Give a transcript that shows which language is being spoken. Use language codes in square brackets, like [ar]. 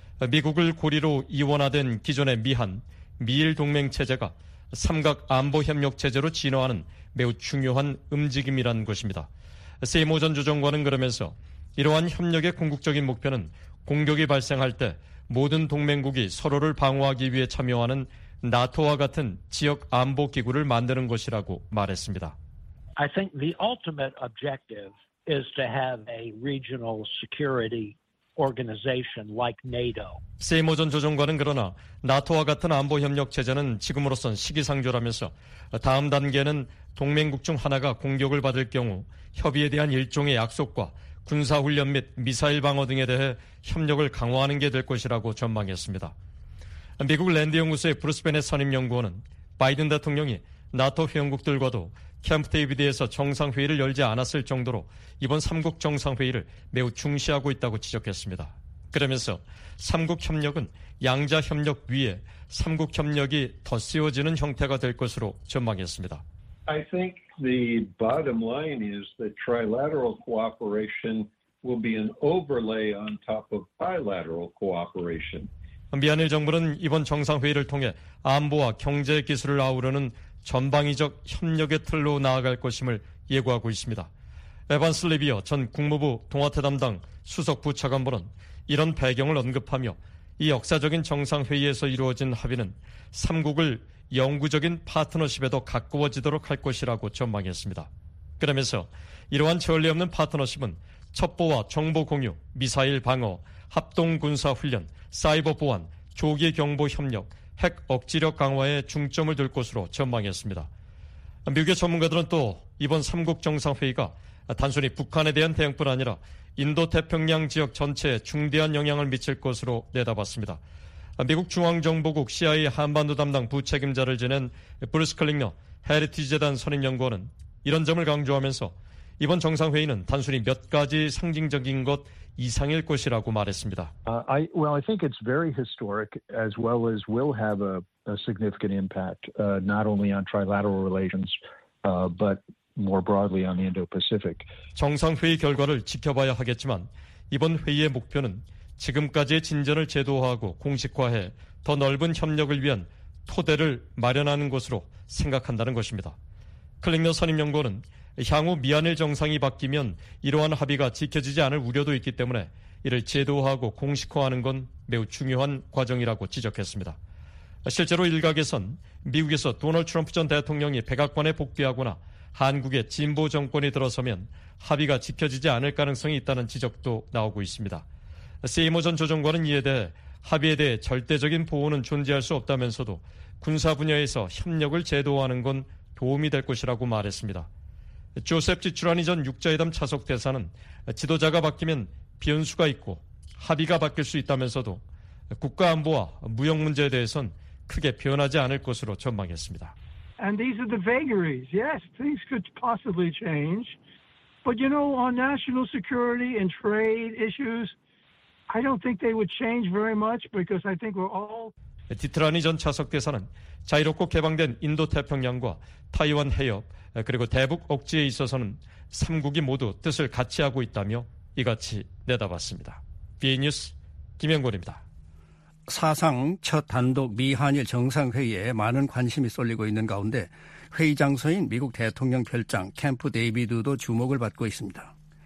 [ko] 미국을 고리로 이원화된 기존의 미한, 미일 동맹 체제가 삼각 안보 협력 체제로 진화하는 매우 중요한 움직임이라는 것입니다. 세이모 전 조정관은 그러면서 이러한 협력의 궁극적인 목표는 공격이 발생할 때 모든 동맹국이 서로를 방어하기 위해 참여하는 나토와 같은 지역 안보 기구를 만드는 것이라고 말했습니다. [en] I think the ultimate objective is to have a regional security organization like NATO. [ko] 세이모 전 조정관은 그러나 나토와 같은 안보 협력 체제는 지금으로선 시기상조라면서 다음 단계는 동맹국 중 하나가 공격을 받을 경우 협의에 대한 일종의 약속과 군사훈련 및 미사일 방어 등에 대해 협력을 강화하는 게 될 것이라고 전망했습니다. 미국 랜드 연구소의 브루스 벤의 선임 연구원은 바이든 대통령이 나토 회원국들과도 캠프 데이비드에서 정상회의를 열지 않았을 정도로 이번 3국 정상회의를 매우 중시하고 있다고 지적했습니다. 그러면서 3국협력은 양자협력 위에 3국협력이 더 세워지는 형태가 될 것으로 전망했습니다. [en] I think the bottom line is that trilateral cooperation will be an overlay on top of bilateral cooperation. [ko] 미한일 정부는 이번 정상회의를 통해 안보와 경제 기술을 아우르는 전방위적 협력의 틀로 나아갈 것임을 예고하고 있습니다. 에반스 리비어 전 국무부 동아태 담당 수석 부차관보는 이런 배경을 언급하며 이 역사적인 정상회의에서 이루어진 합의는 3국을 영구적인 파트너십에도 가까워지도록 할 것이라고 전망했습니다. 그러면서 이러한 전례 없는 파트너십은 첩보와 정보 공유, 미사일 방어, 합동군사훈련, 사이버 보안, 조기 경보 협력, 핵 억지력 강화에 중점을 둘 것으로 전망했습니다. 미국의 전문가들은 또 이번 3국 정상회의가 단순히 북한에 대한 대응뿐 아니라 인도태평양 지역 전체에 중대한 영향을 미칠 것으로 내다봤습니다. 미국 중앙정보국 CIA 한반도 담당 부책임자를 지낸 브루스 클링너 헤리티지재단 선임연구원은 이런 점을 강조하면서 이번 정상회의는 단순히 몇 가지 상징적인 것 이상일 것이라고 말했습니다. [en] I think it's very historic as well as will have a significant impact not only on trilateral relations but more broadly on the Indo-Pacific. [ko] 정상회의 결과를 지켜봐야 하겠지만 이번 회의의 목표는 지금까지의 진전을 제도화하고 공식화해 더 넓은 협력을 위한 토대를 마련하는 것으로 생각한다는 것입니다. 클링너 선임연구원은 향후 미한일 정상이 바뀌면 이러한 합의가 지켜지지 않을 우려도 있기 때문에 이를 제도화하고 공식화하는 건 매우 중요한 과정이라고 지적했습니다. 실제로 일각에선 미국에서 도널드 트럼프 전 대통령이 백악관에 복귀하거나 한국의 진보 정권이 들어서면 합의가 지켜지지 않을 가능성이 있다는 지적도 나오고 있습니다. 세이머 전 조정관은 이에 대해 합의에 대해 절대적인 보호는 존재할 수 없다면서도 군사 분야에서 협력을 제도화하는 건 도움이 될 것이라고 말했습니다. 조셉 지출하니 전 육자회담 차석 대사는 지도자가 바뀌면 변수가 있고 합의가 바뀔 수 있다면서도 국가 안보와 무역 문제에 대해선 크게 변하지 않을 것으로 전망했습니다. [en] And these are the vagaries. Yes, things could possibly change. But you know, on national security and trade issues, I don't think they would change very much because I think we're all [ko] 디트라니 전 차석 대사는 자유롭고 개방된 인도태평양과 타이완 해협 그리고 대북 억지에 있어서는 3국이 모두 뜻을 같이 하고 있다며 이같이 내다봤습니다. BN 뉴스 김영곤입니다. 사상 첫 단독 미한일 정상회의에 많은 관심이 쏠리고 있는 가운데 회의 장소인 미국 대통령 별장 캠프 데이비드도 주목을 받고 있습니다.